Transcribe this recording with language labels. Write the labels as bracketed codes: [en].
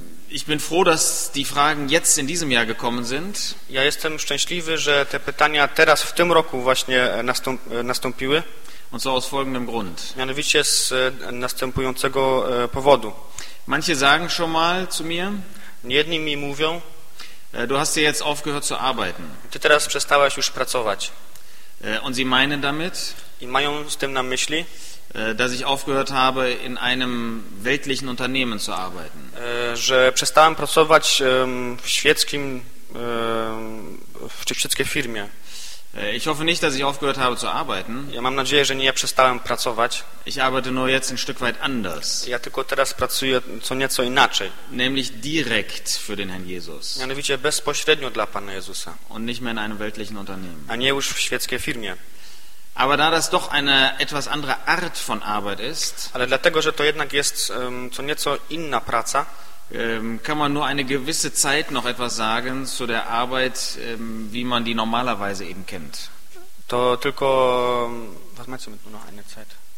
[de] Ich bin froh, dass die Fragen jetzt in diesem Jahr gekommen sind. [pl] Ja jestem szczęśliwy, że te pytania teraz w tym roku właśnie nastąpiły. [de] Und so aus folgendem Grund. [pl] Mianowicie z następującego powodu. [de] Manche sagen schon mal zu mir. [pl] Jedni mi mówią. [de] Du hast dir jetzt aufgehört zu arbeiten. [pl] Ty teraz przestałeś już pracować. [de] Und sie meinen damit. [pl] I mają z tym na myśli. [de] Dass ich aufgehört habe, in einem weltlichen Unternehmen zu arbeiten. [pl] Że przestałem pracować w świeckim, w świeckiej firmie. [de] Ich hoffe nicht, dass ich aufgehört habe zu arbeiten. [pl] Ja mam nadzieję, że nie przestałem pracować. [de] Ich arbeite nur jetzt ein Stück weit anders. [pl] Ja tylko teraz pracuję co nieco inaczej. [de] Nämlich direkt für den Herrn Jesus. [pl] Mianowicie bezpośrednio dla Pana Jezusa. [de] Und nicht mehr in einem weltlichen Unternehmen. [pl] A nie już w świeckiej firmie. [de] Aber da das doch eine etwas andere Art von Arbeit ist, [pl] ale dlatego, że to jednak jest co nieco inna praca, [de] kann man nur eine gewisse Zeit noch etwas sagen zu der Arbeit, wie man die normalerweise eben kennt. [pl] To tylko, [de] was meinst du mit nur noch eine Zeit?